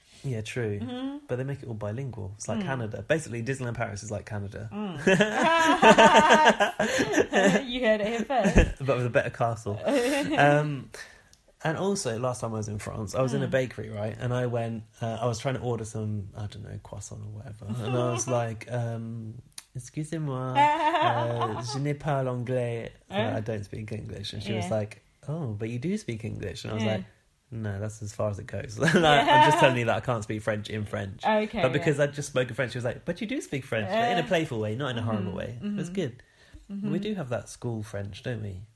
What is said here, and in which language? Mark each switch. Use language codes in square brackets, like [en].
[en] Yeah, true. But they make it all bilingual. It's like Canada. Basically, Disneyland Paris is like Canada. You heard it here first. But with a better castle. And also, last time I was in France, I was in a bakery, right? And I went, I was trying to order some, I don't know, croissant or whatever. [fr] And I was like, excusez-moi, je n'ai pas l'anglais. [en] I don't speak English. And she was like, oh, but you do speak English. And I was like, no, that's as far as it goes. Like, I'm just telling you that I can't speak French in French. Okay. But because I just spoke French, she was like, but you do speak French. Like, in a playful way, not in a horrible way. That's good. We do have that school French, don't we?